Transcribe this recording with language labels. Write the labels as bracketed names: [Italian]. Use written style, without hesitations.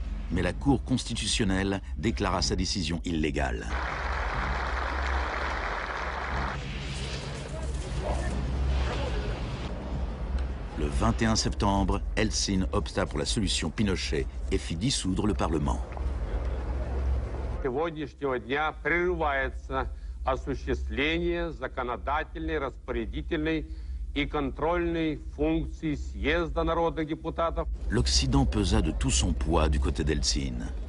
[French] Mais la Cour constitutionnelle déclara sa décision illégale. Le 21 septembre, Eltsine opta pour la solution Pinochet et fit dissoudre le Parlement. [Russian] Сегодняшнего дня прерывается осуществление законодательной, распорядительной и контрольной функции съезда народных депутатов. [French] L'Occident pesa de tout son poids du côté d'Eltsine.